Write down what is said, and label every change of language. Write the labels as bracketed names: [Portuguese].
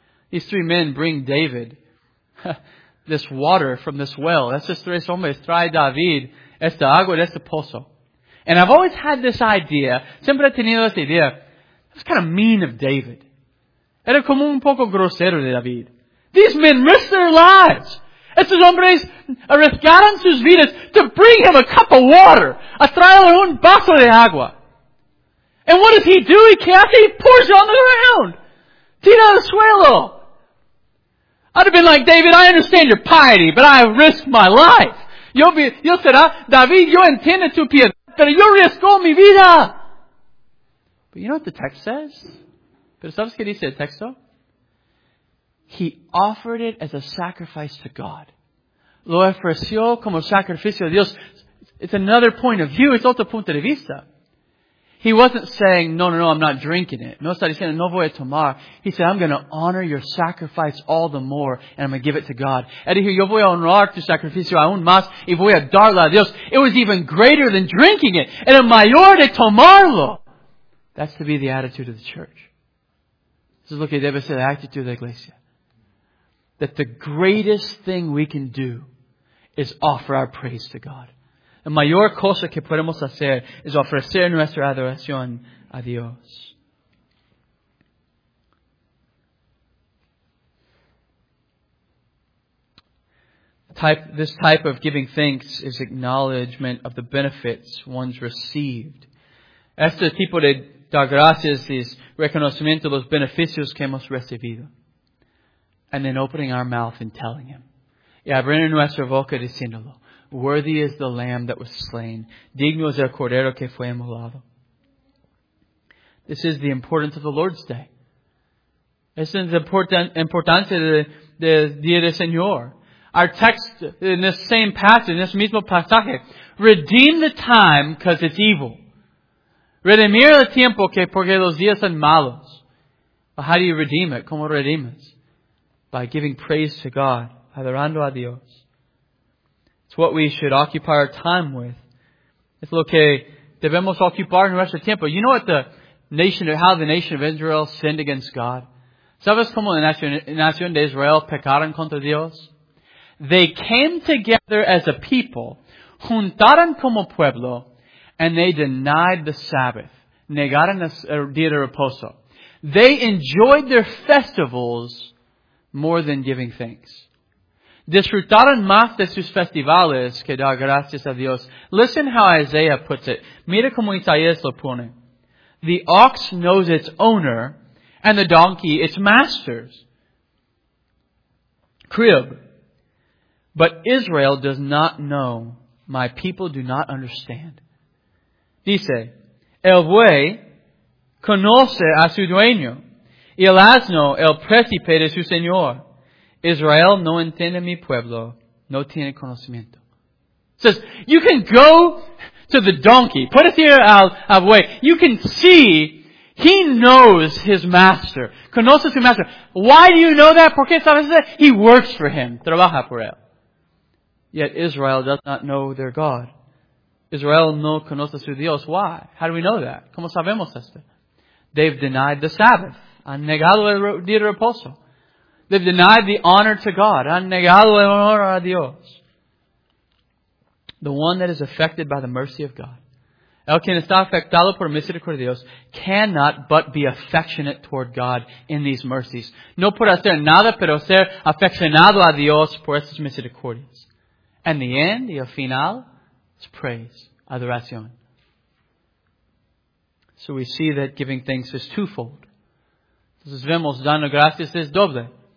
[English] These three men bring David. This water from this well. [Spanish] Estos tres hombres trae David esta agua de este pozo. [English] And I've always had this idea. [Spanish] Siempre he tenido esta idea. [English] It was kind of mean of David. [Spanish] Era como un poco grosero de David. [English] These men risked their lives. [Spanish] Estos hombres arriesgaron sus vidas [English] to bring him a cup of water. [Spanish] A traerle un vaso de agua. [English] And what does he do? He casts it. He pours it on the ground. [Spanish] Tira el suelo. [English] I'd have been like, David, I understand your piety, but I have risked my life. [Spanish] Yo será, David, yo entiendo tu piedad, pero yo riesgo mi vida. [English] But you know what the text says? [Spanish] Pero sabes que dice el texto? [English] He offered it as a sacrifice to God. [Spanish] Lo ofreció como sacrificio a Dios. [English] It's another point of view. It's [Spanish] otro punto de vista. [English] He wasn't saying, no, I'm not drinking it. [Spanish] No está diciendo, no voy a tomar. [English] He said, I'm going to honor your sacrifice all the more, and I'm going to give it to God. [Spanish] Yo voy a honrar tu sacrificio aún más, y voy a darlo a Dios. [English] It was even greater than drinking it. [Spanish] Era mayor de tomarlo. [English] That's to be the attitude of the church. This is [Spanish] lo que debe ser la actitud de la iglesia. [English] That the greatest thing we can do is offer our praise to God. [Spanish] La mayor cosa que podemos hacer es ofrecer nuestra adoración a Dios. [English] This type of giving thanks is acknowledgement of the benefits one's received. [Spanish] Este tipo de dar gracias es reconocimiento de los beneficios que hemos recibido. [English] And then opening our mouth and telling Him. [Spanish] Y abriendo nuestra boca diciéndolo. [English] Worthy is the Lamb that was slain. [Spanish] Digno es el Cordero que fue inmolado. [English] This is the importance of the Lord's Day. [Spanish] Es importante de día del Señor. [English] Our text in this same passage, in this [Spanish] mismo pasaje, [English] redeem the time because it's evil. [Spanish] Redimir el tiempo que porque los días son malos. [English] But how do you redeem it? [Spanish] ¿Cómo redimes? [English] By giving praise to God, [Spanish] adorando a Dios. [English] It's what we should occupy our time with. [Spanish] Es lo que debemos ocupar nuestro tiempo. [English] You know what the nation of Israel sinned against God? [Spanish] ¿Sabes cómo la nación de Israel pecaron contra Dios? [English] They came together as a people, [Spanish] juntaron como pueblo, [English] and they denied the Sabbath. [Spanish] Negaron el día de reposo. [English] They enjoyed their festivals more than giving thanks. [Spanish] Disfrutaron más de sus festivales que dar gracias a Dios. [English] Listen how Isaiah puts it. [Spanish] Mira cómo Isaías lo pone. [English] The ox knows its owner, and the donkey its master's. Crib. But Israel does not know. My people do not understand. [Spanish] Dice, el buey conoce a su dueño, y el asno el príncipe de su señor. Israel no entiende mi pueblo, no tiene conocimiento. [English] It says, you can go to the donkey, put it here [Spanish] al buey. [English] You can see he knows his master. [Spanish] Conoce su [English] master. Why do you know that? [Spanish] Porque sabes que [English] he works for him, [Spanish] trabaja por él. [English] Yet Israel does not know their God. [Spanish] Israel no conoce su Dios. [English] Why? How do we know that? [Spanish] ¿Cómo sabemos esto? [English] They've denied the Sabbath. [Spanish] Han negado el día de reposo. [English] They've denied the honor to God. [Spanish] Han negado el honor a Dios. [English] The one that is affected by the mercy of God. [Spanish] El quien está afectado por misericordia de Dios [English] cannot but be affectionate toward God in these mercies. [Spanish] No puede hacer nada pero ser afeccionado a Dios por estas misericordias. [English] And the end, the final, is praise, adoración. So we see that giving thanks is twofold. [Spanish] Entonces vemos, dando gracias es doble.